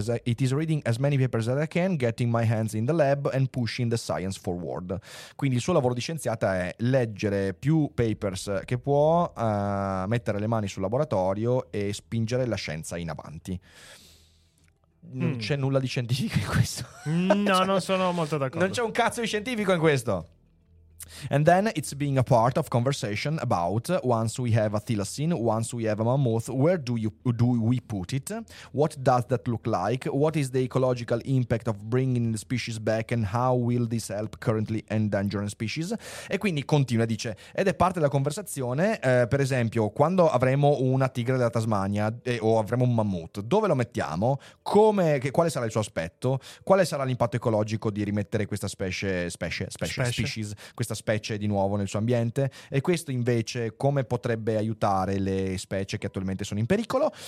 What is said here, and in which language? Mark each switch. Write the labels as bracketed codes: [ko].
[en] It is reading as many papers as I can, getting my hands in the lab and pushing the science forward. [it] Quindi il suo lavoro di scienziata è leggere più papers che può, mettere le mani sul laboratorio e spingere la scienza in avanti. Non c'è nulla di scientifico in questo. No, cioè, non sono molto d'accordo. Non c'è un cazzo di scientifico in questo. [en] And then it's being a part of conversation about once we have a thylacine, once we have a mammoth, where do we put it? What does that look like? What is the ecological impact of bringing the species back and how will this help currently endangered species? [it] E quindi continua, dice, ed è parte della conversazione, per esempio, quando avremo una tigre della Tasmania o avremo un mammoth, dove lo mettiamo? Come, quale sarà il suo aspetto? Quale sarà l'impatto ecologico di rimettere questa specie? Questa specie di nuovo nel suo ambiente, e questo invece come potrebbe aiutare le specie che attualmente sono in pericolo.